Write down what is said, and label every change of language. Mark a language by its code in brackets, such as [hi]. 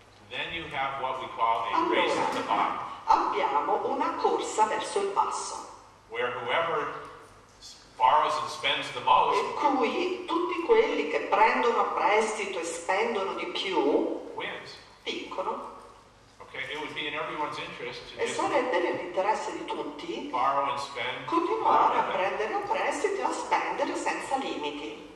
[it] allora abbiamo una corsa verso il basso. [en] Where whoever borrows and spends the most. [it] In cui tutti quelli che prendono a prestito e spendono di più vincono. [en] Okay, it would be in everyone's interest to [it] e sarebbe nell'interesse di tutti [en] borrow and spend, [it] continuare [en] borrow [it] a prendere a prestito e a spendere senza limiti.